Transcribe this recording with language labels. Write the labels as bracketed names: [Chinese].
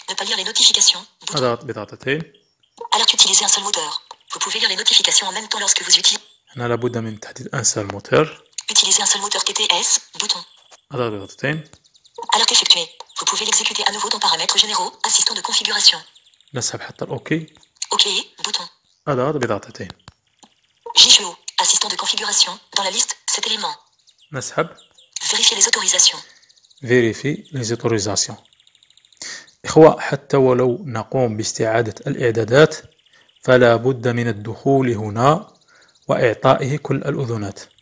[French] Ne pas lire les notifications. Bouton. [Arabic] أضغط بضغطتين. [French] Alors utilisez un seul moteur. Vous pouvez lire les notifications en même temps lorsque vous utilisez. [Arabic] هنا لابد من تحديد [French] un seul moteur. Utilisez un seul moteur TTS, bouton. [Arabic] أضغط بضغطتين. [French] Alors qu'effectué, vous pouvez l'exécuter à nouveau dans paramètres généraux, assistant de configuration. [Arabic] نسحب حتى ال OK. [French] OK, bouton. [Arabic] أضغط بضغطتين. [French] JGO, assistant de configuration, dans la liste, cet élément. [Arabic] نسحب. [French] Vérifiez les autorisations. Vérifiez les autorisations. [Arabic] إخوة، حتى ولو نقوم باستعادة الإعدادات فلا بد من الدخول هنا وإعطائه كل الأذونات.